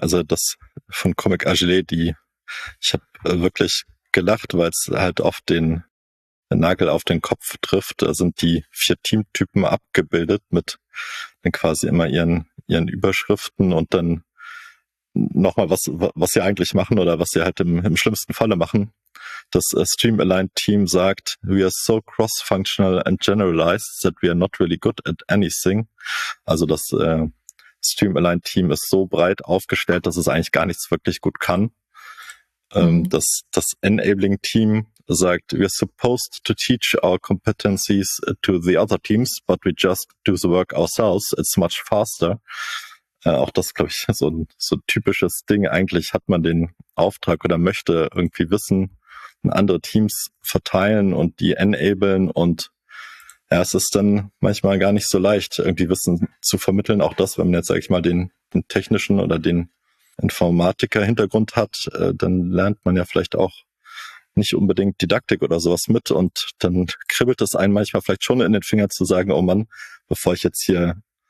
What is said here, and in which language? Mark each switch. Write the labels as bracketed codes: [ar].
[de] Also das von Comic Agile, ich habe wirklich gelacht, weil es halt oft den Nagel auf den Kopf trifft. Da sind die vier Teamtypen abgebildet mit dann quasi immer ihren Überschriften und dann nochmal, was sie eigentlich machen oder was sie halt im schlimmsten Falle machen. Das Stream-Aligned-Team sagt, [en] we are so cross-functional and generalized that we are not really good at anything. [de] Also das Stream-Aligned-Team ist so breit aufgestellt, dass es eigentlich gar nichts wirklich gut kann. Das Enabling-Team sagt, [en] we are supposed to teach our competencies to the other teams, but we just do the work ourselves. It's much faster. [de] Auch das, glaube ich, so ein typisches Ding. Eigentlich hat man den Auftrag oder möchte irgendwie Wissen in andere Teams verteilen und die enablen. Und ja, es ist dann manchmal gar nicht so leicht, irgendwie Wissen zu vermitteln. Auch das, wenn man jetzt, sage ich mal, den technischen oder den Informatiker-Hintergrund hat, dann lernt man ja vielleicht auch nicht unbedingt Didaktik oder sowas mit und dann kribbelt es einen manchmal vielleicht schon in den Finger zu sagen, oh Mann, bevor ich jetzt hier